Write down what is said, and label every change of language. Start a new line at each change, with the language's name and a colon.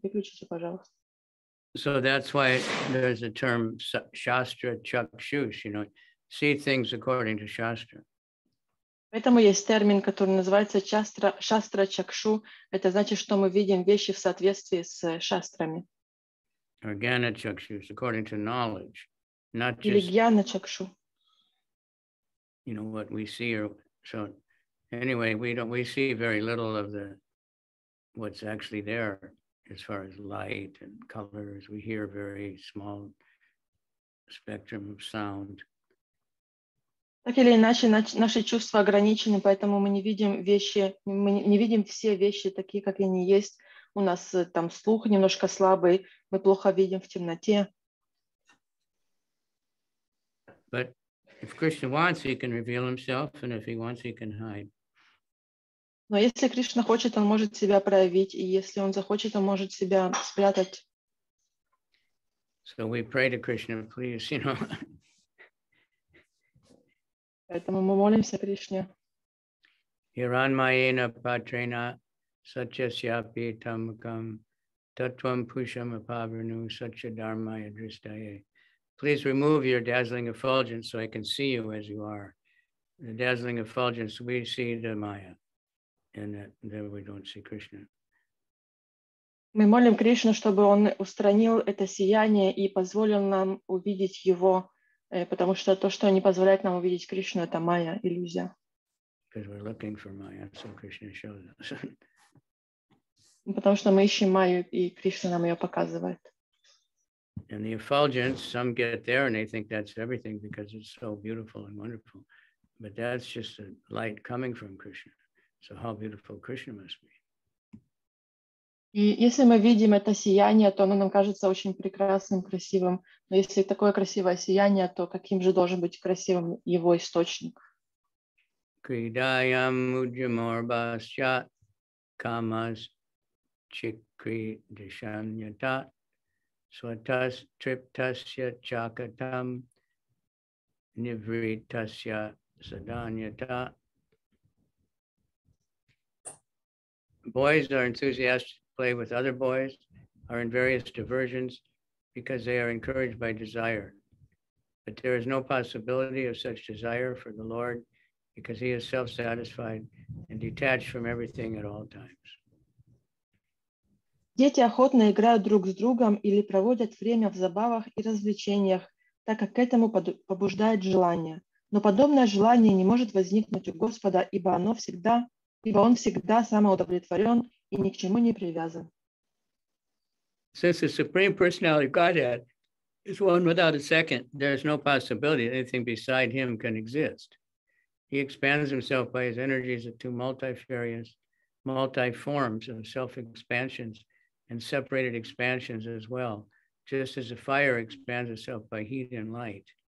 Russian: Выключите, пожалуйста.
English: So that's why there's a term shastra chakshush, you know, see things according to shastra.
Russian: Поэтому есть термин, который называется шастра чакшу. Это значит, что мы видим вещи в соответствии с шастрами.
English: Or gyana chakshush, according to knowledge, not just.
Russian: Или гьяна чакшу.
English: You know what we see, or so. Anyway, we see very little of the what's actually there. As far as light and colors, we hear very small spectrum of sound.
Russian: Так или иначе, наши чувства ограничены, поэтому мы не видим вещи, мы не видим все вещи такие, как они есть. У нас там слух немножко слабый, мы плохо видим в темноте.
English: But if Krishna wants, he can reveal himself, and if he wants, he can hide.
Russian: Но если Кришна хочет, он может себя проявить, и если он захочет, он может себя спрятать.
English: So we pray to Krishna, please, you know.
Russian: Поэтому мы молимся Кришне.
Sanskrit: Хиранмаена патрена сачасьяпи тамкам таттвам пушам апаварну сача дармая дристае.
English: Please remove your dazzling effulgence so I can see you as you are. The dazzling effulgence, we see the maya. And then we don't see Krishna.
Russian: Мы молим Кришну, чтобы он устранил это сияние и позволил нам увидеть его, потому что то, что не позволяет нам увидеть Кришну, это майя, иллюзия.
English: Because we're looking for Maya, so Krishna shows us.
Russian: Потому что мы ищем майю, и Кришна нам ее показывает.
English: And the effulgence, some get there and they think that's everything because it's so beautiful and wonderful. But that's just a light coming from Krishna. So how beautiful Krishna must be.
Russian: И если мы видим это сияние, то оно нам кажется очень прекрасным, красивым. Но если такое красивое сияние, то каким же должен быть красивым его источник?
Sanskrit: Кридаям уджиморбасча камас чикри дешаньята сватас триптасья чакатам нивритасья саданьята.
English: Boys are enthusiastic to play with other boys, are in various diversions because they are encouraged by desire. But there is no possibility of such desire for the Lord because he is self-satisfied and detached from everything at all times.
Russian: Дети охотно играют друг с другом или проводят время в забавах и развлечениях, так как к этому побуждает желание. Но подобное желание не может возникнуть у Господа, ибо оно всегда... Ибо он всегда самоудовлетворен и ни к чему не привязан.
English: Since the Supreme Personality of Godhead is one without a second, there is no possibility that anything beside him can exist. He expands himself by his energies into multifarious, multiforms of self-expansions and separated expansions as well, just as a fire expands itself by heat and light.